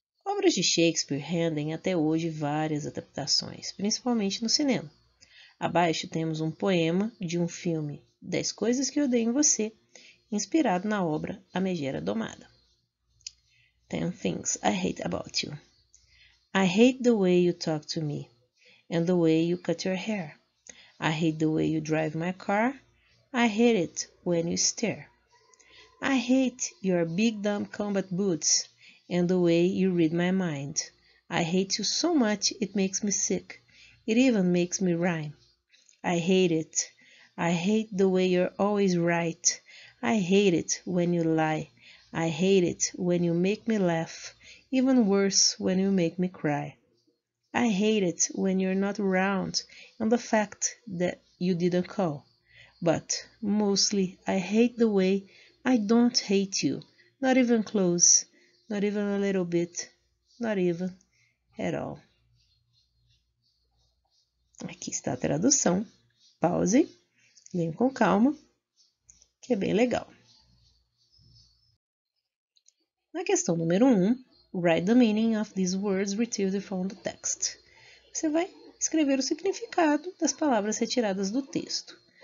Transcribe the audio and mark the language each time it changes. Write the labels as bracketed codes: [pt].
[pt] Obras de Shakespeare rendem até hoje várias adaptações, principalmente no cinema. Abaixo temos um poema de um filme, 10 Coisas que Odeio em Você, inspirado na obra A Megera Domada. [en] 10 Things I Hate About You. I hate the way you talk to me, and the way you cut your hair. I hate the way you drive my car. I hate it when you stare. I hate your big dumb combat boots. And the way you read my mind. I hate you so much it makes me sick. It even makes me rhyme. I hate it. I hate the way you're always right. I hate it when you lie. I hate it when you make me laugh. Even worse when you make me cry. I hate it when you're not around and the fact that you didn't call. But mostly I hate the way I don't hate you, not even close. Not even a little bit, not even at all. [pt] Aqui está a tradução. Pause, leia com calma, que é bem legal. Na questão número 1, [en] write the meaning of these words retrieved from the text. [pt] Você vai escrever o significado das palavras retiradas do texto.